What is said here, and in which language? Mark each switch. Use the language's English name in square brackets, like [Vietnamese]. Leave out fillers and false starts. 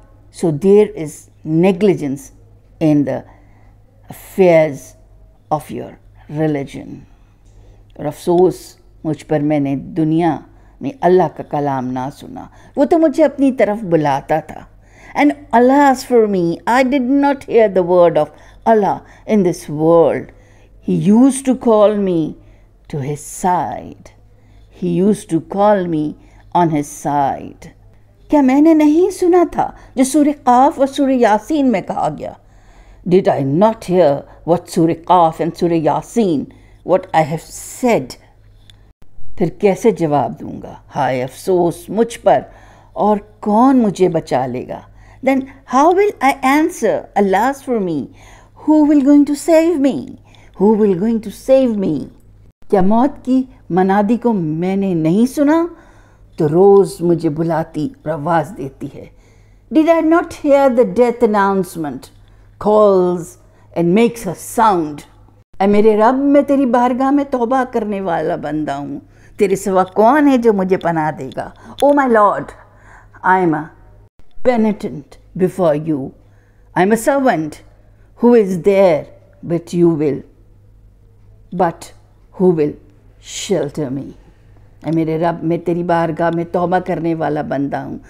[English] So there is negligence in the affairs of your religion. [Urdu] اور افسوس مجھ پر میں نے دنیا میں اللہ کا کلام نہ سنا. وہ تو مجھے اپنی طرف بلاتا تھا. [English] And alas for me, I did not hear the word of Allah in this world. He used to call me to his side. He used to call me on his side. [Urdu] کیا میں نے نہیں سنا تھا جو سورہ قاف اور سورہ یاسین میں کہا گیا؟ [English] Did I not hear what Surah Qaf and Surah Yasin, what I have said? [Urdu] پھر کیسے جواب دوں گا ہائے افسوس مجھ پر اور کون مجھے بچا لے گا؟ [English] Then how will I answer, alas for me, who will going to save me? Who will going to save me? [Urdu] کیا موت کی منادی کو میں نے نہیں سنا تو روز مجھے بلاتی اور آواز دیتی ہے. [English] Did I not hear the death announcement calls and makes a sound? [Urdu] اے میرے رب میں تیری بارگاہ میں توبہ کرنے والا بندہ ہوں. تیرے سوا کون ہے جو مجھے پناہ دے گا؟ [English] Oh my Lord, I am a penitent before you. I am a servant who is there but you will. But who will shelter me? [Urdu] اے میرے رب میں تیری بارگاہ میں توبہ کرنے والا بندہ ہوں.